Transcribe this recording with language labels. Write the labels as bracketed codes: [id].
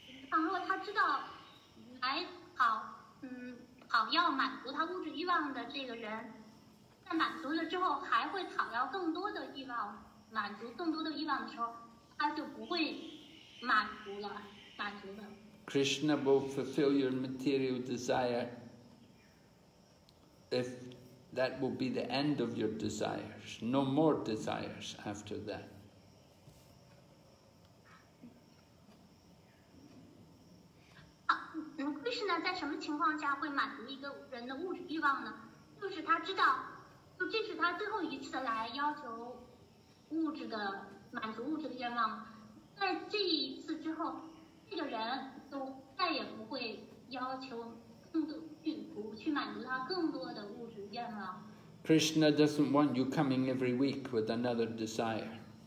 [zh] 倘若他知道来讨要满足他物质欲望的这个人，在满足了之后还会讨要更多的欲望，满足更多的欲望的时候，他就不会满足了。 [en] Krishna will fulfill your material desire if that will be the end of your desires, no more desires after that. [zh] Krishna 在什么情况下会满足一个人的物质欲望呢？就是他知道，就这是他最后一次来要求物质的满足物质的愿望，在这一次之后，这个人都再也不会要求更多去满足他更多的物质愿望。 [en] Krishna doesn't want you coming every week with another desire.